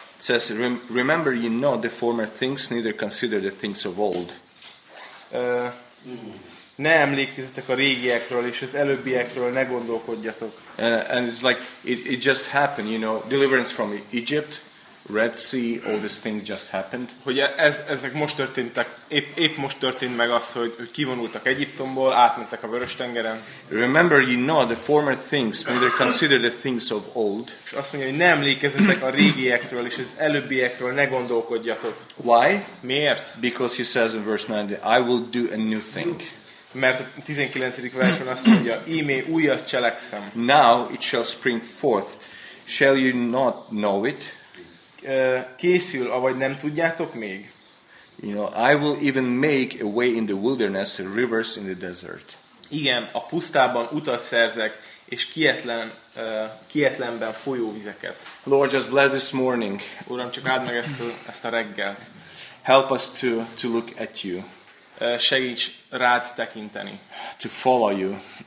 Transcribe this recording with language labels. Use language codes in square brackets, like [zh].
[en] It says, remember ye not the former things, neither consider the things of old. [hu] Ne emlékezzetek a régiekről és az előbbiekről, ne gondolkodjatok. [en] And it's like it just happened, you know, deliverance from Egypt, Red Sea, all these things just happened. [hu] Hogy ezek most történtek, épp most történt meg az, hogy kivonultak Egyiptomból, átmentek a Vöröstengeren. [en] Remember ye not the former things, neither consider the things of old. [hu] És azt mondja, hogy ne emlékezzetek a régiekről és az előbbiekről, ne gondolkodjatok. [en] Why? [hu] Miért? [en] Because he says in verse 9, I will do a new thing. [hu] Mert a 19. versben azt mondja, íme újat cselekszem. [en] Now it shall spring forth. Shall you not know it? [hu] Készül, avagy nem tudjátok még? [en] You know, I will even make a way in the wilderness, rivers in the desert. [hu] Igen, a pusztában utat szerzek, és kietlenben folyóvizeket. [en] Lord, just bless this morning. [hu] Uram, csak áld meg ezt a reggelt. [en] Help us to look at you. [hu] Segíts rád tekinteni. [en] To follow you.